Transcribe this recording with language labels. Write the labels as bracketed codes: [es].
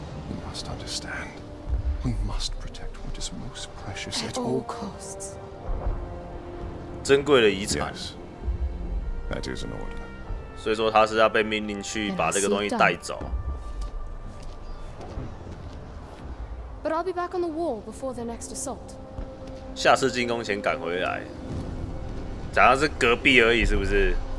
[en] You must understand. We must protect what is most precious at all costs. [zh] 珍贵的遗产。 [en] Yes. That is an order. [zh] 所以说他是要被命令去把这个东西带走。 [en] But I'll be back on the wall before their next assault. [zh] 下次进攻前赶回来，假如是隔壁而已，是不是？